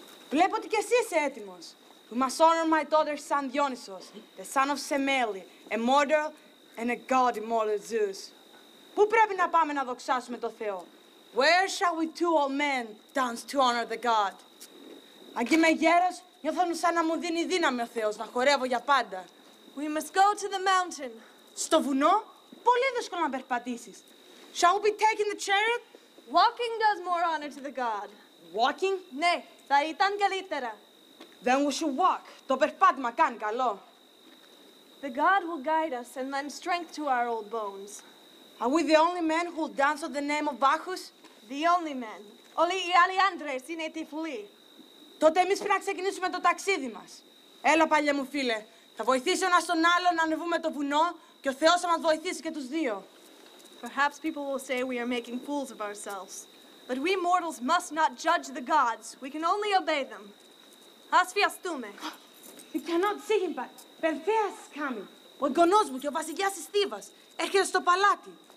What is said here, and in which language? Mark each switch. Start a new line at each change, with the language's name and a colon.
Greek: Βλέπω ότι κι εσύ είσαι έτοιμος.
English: We must honor my daughter son Dionysus, the son of Semele, a mortal and a god immortal Zeus.
Greek: Πού πρέπει να πάμε να δοξάσουμε το Θεό?
English: Where shall we two old men dance to honor the god?
Greek: Αν και είμαι γέρος, νιώθω σαν να μου δίνει δύναμη ο Θεός να χορεύω για πάντα.
English: We must go to the mountain.
Greek: Στο βουνό, πολύ δύσκολο να περπατήσεις.
English: Shall we be taking the chariot? Walking does more honor to the god. Walking?
Greek: Ναι. Θα ήταν καλύτερα.
English: Then we should walk.
Greek: Το περπάτημα κάνει καλό.
English: The god will guide us and lend strength to our old bones. Are we the only men who will dance with the name of Bacchus? The only men.
Greek: Όλοι οι άλλοι άντρες είναι τυφλοί. Τότε εμείς πρέπει να ξεκινήσουμε το ταξίδι μας. Έλα, παλιέ μου φίλε. Θα βοηθήσω ένας τον άλλον να ανεβούμε το βουνό και ο Θεός θα μας βοηθήσει και τους δύο.
English: Perhaps people will say we are making fools of ourselves. But we mortals must not judge the gods. We can only obey them.
Greek: Ας φιαστούμε.
English: You cannot see him, but Perseus is coming.
Greek: Ο γονός μου και ο βασιλιάς της Θήβας έρχεται στο παλάτι.